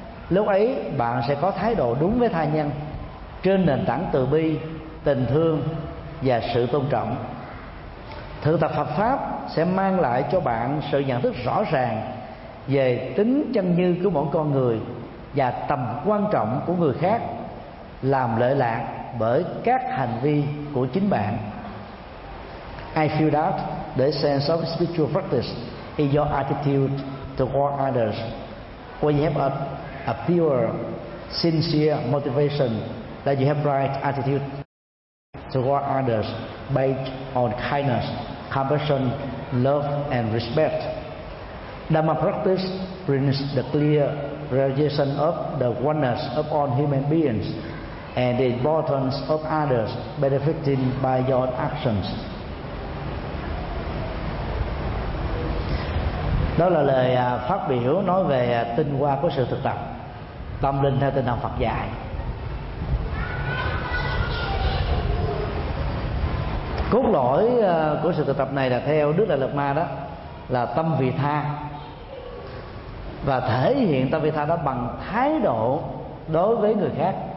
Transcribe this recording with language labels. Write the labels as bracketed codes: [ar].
[vi] lúc ấy bạn sẽ có thái độ đúng với tha nhân trên nền tảng từ bi, tình thương và sự tôn trọng. Thực tập Phật pháp sẽ mang lại cho bạn sự nhận thức rõ ràng về tính chân như của mỗi con người và tầm quan trọng của người khác làm lệ lạc bởi các hành vi của chính bạn. [en] I feel that the sense of spiritual practice is your attitude toward others. When you have a pure, sincere motivation that you have right attitude toward others based on kindness, compassion, love and respect. Dhamma practice brings the clear realization of the oneness of all human beings and the importance of others benefiting by your actions. [vi] Đó là lời phát biểu nói về tinh hoa của sự thực tập tâm linh theo tinh thần Phật dạy. Cốt lõi của sự thực tập này là theo Đức Đại Lạt Ma đó là tâm vị tha, và thể hiện tâm vị tha đó bằng thái độ đối với người khác.